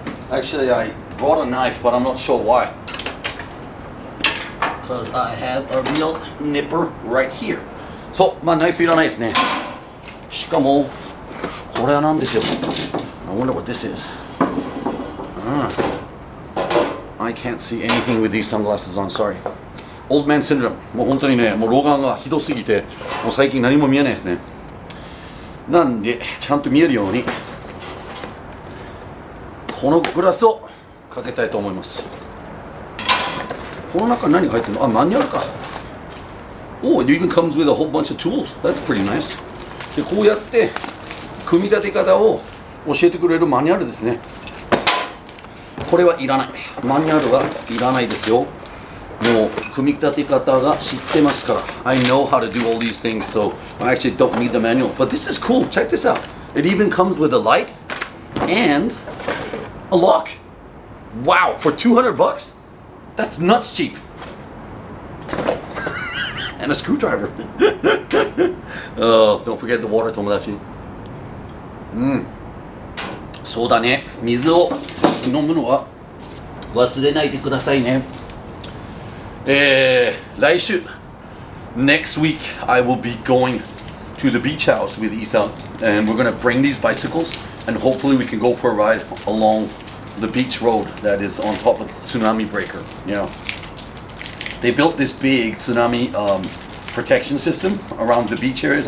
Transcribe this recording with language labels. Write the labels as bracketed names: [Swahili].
[English] Actually, I brought a knife, but I'm not sure why. Because I have a real nipper right here. [Japanese] So, まあ、ナイフいらないですね。しかも、これはなんですよ。 [English] I wonder what this is. I can't see anything with these sunglasses on, sorry. Old man syndrome. [Japanese] もう本当にね、もう老眼がひどすぎて、もう最近何も見えないですね。なんで、ちゃんと見えるように、このグラスをかけたいと思います。この中に何が入ってるの？あ、マニュアルか。 [English] Oh, it even comes with a whole bunch of tools. That's pretty nice. [Japanese] で、こうやって、組み立て方を教えてくれるマニュアルですね。これはいらない。マニュアルはいらないですよ。もう組み立て方が知ってますから。 [English] I know how to do all these things, so I actually don't need the manual. But this is cool. Check this out. It even comes with a light and a lock. Wow, for $200? That's nuts cheap. And a screwdriver. don't forget the water, Tomodachi. [Japanese] そうだね、水を飲むのは忘れないでくださいね。来週 [English] next week I will be going to the beach house with Isa and we're gonna bring these bicycles and hopefully we can go for a ride along the beach road that is on top of the tsunami breaker. Yeah, they built this big tsunami protection system around the beach areas.